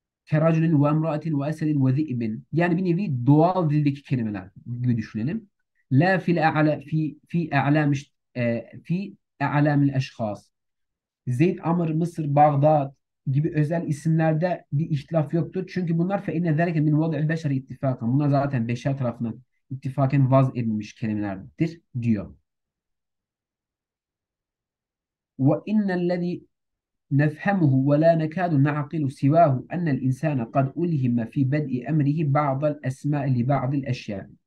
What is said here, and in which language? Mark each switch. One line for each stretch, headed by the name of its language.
Arabic: كَرَجُلٍ وَاَمْرَأَةٍ وَاَسَدٍ وَذِئِبٍ.
Turkish: Yani bir nevi doğal dildeki kelimeler gibi düşünelim.
Arabic: لَا فِي الْاَعْلَى فِي اَعْلَامِ فِي اَعْلَامِ الْاَشْخَاصِ.
Turkish: Zeyd, Amr, Mısır, Bağdat gibi özel isimlerde bir ihtilaf yoktur. Çünkü bunlar
Arabic: فَاِنَّ ذَلَكَ مِنْ وَضْعِ الْبَشَرِ اِتِّفَاقًا.
Turkish: Bunlar zaten beşer tarafından ittifaken vaz edilmiş kelimelerdir diyor.
Arabic: وَاِنَّ الَّذِي نَفْهَمُهُ وَلَا نَكَادُ نَعْقِلُ سِوَاهُ اَنَّ الْاِنْسَانَ قَدْ اُلْهِمَ فِي بَدْءِ اَمْرِهِ بَعْضَ الْاَسْمَاءِ لِبَعْضِ الْاَشْيَاءِ.